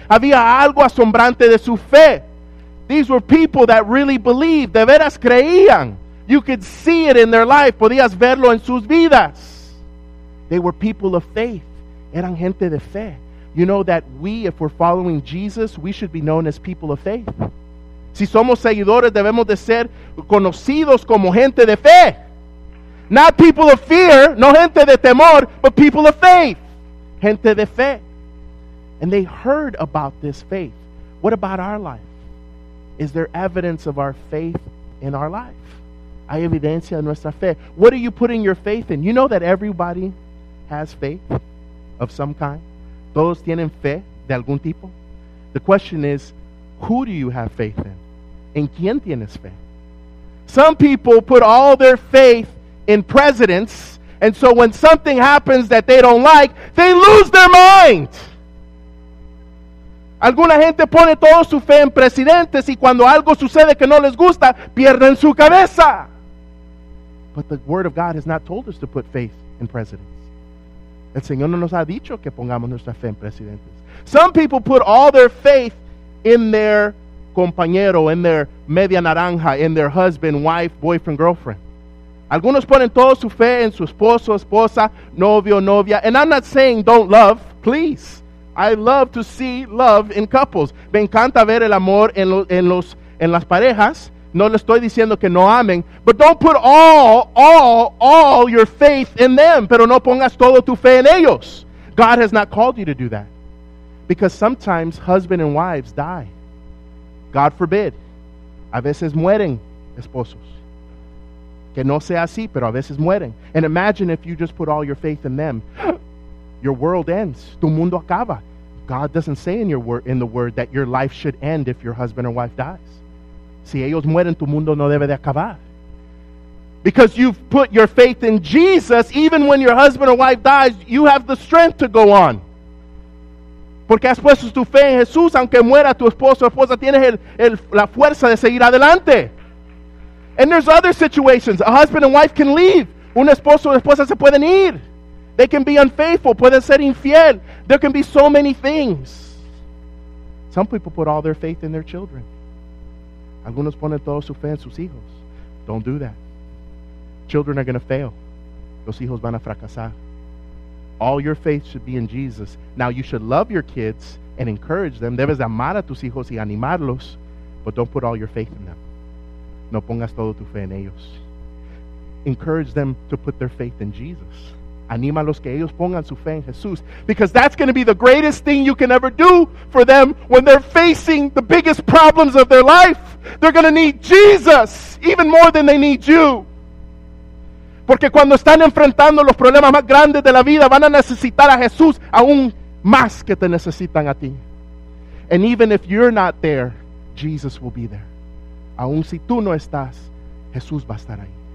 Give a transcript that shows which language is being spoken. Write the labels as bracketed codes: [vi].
[es] Había algo asombrante de su fe. [en] These were people that really believed. [es] De veras creían. [en] You could see it in their life. [es] Podías verlo en sus vidas. [en] They were people of faith. [es] Eran gente de fe. [en] You know that we, if we're following Jesus, we should be known as people of faith. [es] Si somos seguidores, debemos de ser conocidos como gente de fe. [en] Not people of fear, [es] no gente de temor, [en] but people of faith. [es] Gente de fe. [en] And they heard about this faith. What about our life? Is there evidence of our faith in our life? [es] Hay evidencia de nuestra fe. [en] What are you putting your faith in? You know that everybody has faith of some kind. [es] Todos tienen fe de algún tipo. [en] The question is, who do you have faith in? [es] ¿En quién tienes fe? [en] Some people put all their faith in presidents, and so when something happens that they don't like, they lose their mind. [es] Alguna gente pone toda su fe en presidentes y cuando algo sucede que no les gusta, pierden su cabeza. [en] But the Word of God has not told us to put faith in presidents. [es] El Señor no nos ha dicho que pongamos nuestra fe en presidentes. [en] Some people put all their faith in their compañero, in their [es] media naranja, [en] in their husband, wife, boyfriend, girlfriend. [es] Algunos ponen toda su fe en su esposo, esposa, novio, novia. [en] And I'm not saying don't love, please. I love to see love in couples. [es] Me encanta ver el amor en las parejas. No le estoy diciendo que no amen. [en] But don't put all your faith in them. [es] Pero no pongas todo tu fe en ellos. [en] God has not called you to do that. Because sometimes husband and wives die. God forbid. [es] A veces mueren esposos. Que no sea así, pero a veces mueren. [en] And imagine if you just put all your faith in them. Your world ends. [es] Tu mundo acaba. [en] God doesn't say in the word that your life should end if your husband or wife dies. [es] Si ellos mueren, tu mundo no debe de acabar. [en] Because you've put your faith in Jesus, even when your husband or wife dies, you have the strength to go on. [es] Porque has puesto tu fe en Jesús, aunque muera tu esposo o esposa, tienes la fuerza de seguir adelante. [en] And there's other situations. A husband and wife can leave. [es] Un esposo o esposa se pueden ir. [en] They can be unfaithful. [es] Pueden ser infiel. [en] There can be so many things. Some people put all their faith in their children. Algunos ponen toda su fe en sus hijos. Don't do that. Children are going to fail. [es] Los hijos van a fracasar. [en] All your faith should be in Jesus. Now you should love your kids and encourage them. [es] Debes amar a tus hijos y animarlos. [en] But don't put all your faith in them. [es] No pongas todo tu fe en ellos. [en] Encourage them to put their faith in Jesus. [es] Anima a los que ellos pongan su fe en Jesús. [en] Because that's going to be the greatest thing you can ever do for them when they're facing the biggest problems of their life. They're going to need Jesus even more than they need you. [es] Porque cuando están enfrentando los problemas más grandes de la vida, van a necesitar a Jesús aún más que te necesitan a ti. [en] And even if you're not there, Jesus will be there. [es] Aún si tú no estás, Jesús va a estar ahí.